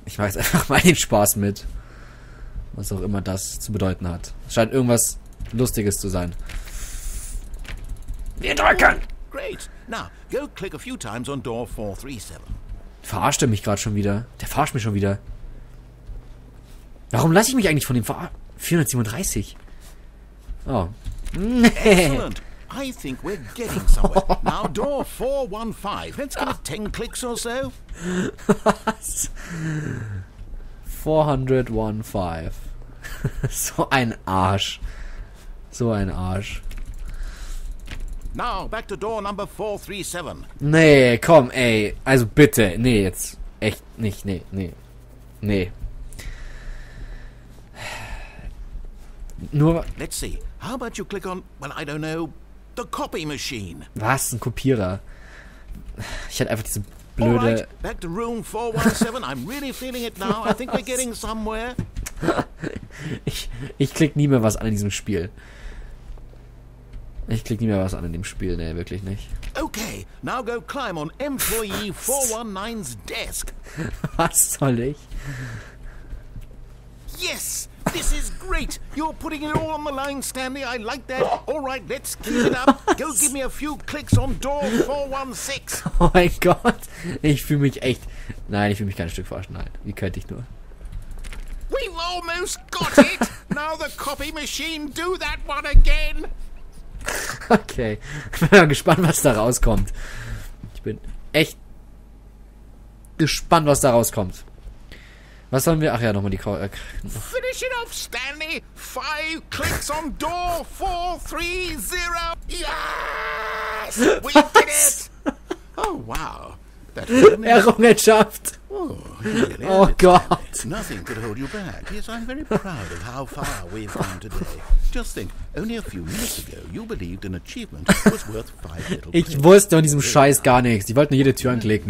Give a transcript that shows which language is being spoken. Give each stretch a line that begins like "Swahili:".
German: Ich mache jetzt einfach mal den Spaß mit. Was auch immer das zu bedeuten hat. Scheint irgendwas Lustiges zu sein. Wir drücken!
English: Oh, great. Now, go click a few times on door 437.
German: Verarscht er mich gerade schon wieder? Der verarscht mich schon wieder. Warum lasse ich mich eigentlich von dem 437? Oh.
English: Excellent. I think we're getting somewhere. Now door 415. Let's give it 10 clicks or so.
German: Was? 415. So ein Arsch. So ein Arsch.
English: Now back to door number 437.
German: Nee, komm, ey. Also bitte. Nee, jetzt. Echt nicht. Nee, nee. Nee. Nur.
English: Let's see. How about you click on. Well, I don't know. The copy machine.
German: Was? Ein Kopierer? Ich hatte einfach diese blöde.
English: Alright, back to room 417. I'm really feeling it now. I think we're getting somewhere.
German: Ich klick nie mehr was an in diesem Spiel. Ich klick nie mehr was an in dem Spiel, ne, wirklich nicht.
English: Okay, now go climb on employee 419's desk.
German: Was soll ich?
English: Yes! This is great. You're putting it all on the line, Stanley. I like that. All right, let's keep it up. Go give me a few clicks on door 416.
German: Oh mein Gott. Ich fühle mich echt. Nein, ich fühle mich kein Stück verarscht. Nein, wie könnte ich nur?
English: We've almost got it. Now the copy machine, do that one again. Okay.
German: Ich bin mal gespannt, was da rauskommt. Ich bin echt gespannt, was da rauskommt. Was sollen wir? Ach ja, nochmal die
English: Finish it off, Stanley! 5 clicks on door 430! Yes! We did it! Oh, wow.
German: Errungenschaft!
English: Oh, really? Oh, God. Nothing could hold you back. Yes, I'm very proud of how far we've come today. Just think, only a few minutes ago, you believed an achievement was worth five little
German: Ich wusste von diesem Scheiß gar nichts. Ich wollte nur jede Tür anklicken.